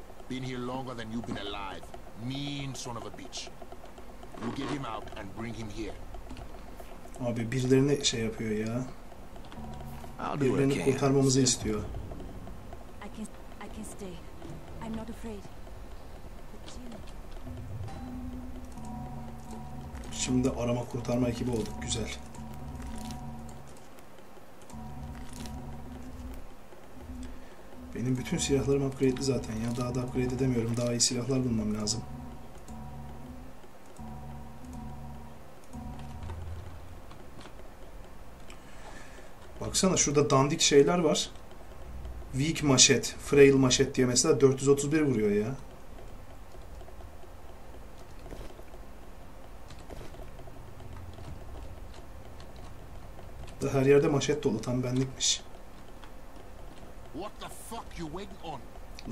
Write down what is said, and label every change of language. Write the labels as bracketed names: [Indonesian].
[English] Been here longer than you've been alive. Mean son of a bitch. We'll get him out and bring him here. [Turkish] Abi birilerini şey yapıyor ya. Birilerini kurtarmamızı istiyor. [English] I can stay. I'm not afraid. [Turkish] Şimdi arama kurtarma ekibi olduk, güzel. Benim bütün silahlarım upgrade'li zaten ya. Daha da upgrade edemiyorum. Daha iyi silahlar bulmam lazım. Baksana şurada dandik şeyler var. Weak maşet, frail maşet diye mesela 431 vuruyor ya. Da her yerde maşet dolu, tam benlikmiş. [English] What the fuck you waiting on?